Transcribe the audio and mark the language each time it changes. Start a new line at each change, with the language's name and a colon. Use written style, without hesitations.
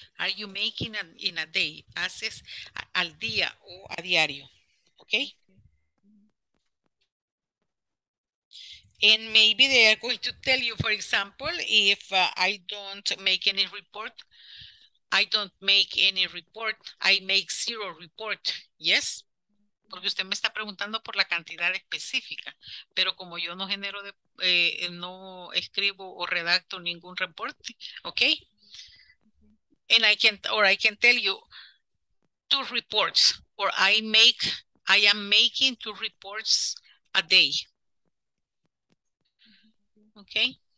English: Are you making in a day?
Spanish: Haces al día o a diario.
English: Okay? And maybe they are going to tell you, for example, if I don't make any report, I make zero report. Yes?
Spanish: Porque usted me está preguntando por la cantidad específica, pero como yo no genero, no escribo o redacto ningún reporte, okay?
English: And I can tell you two reports, or I am making two reports a day, okay?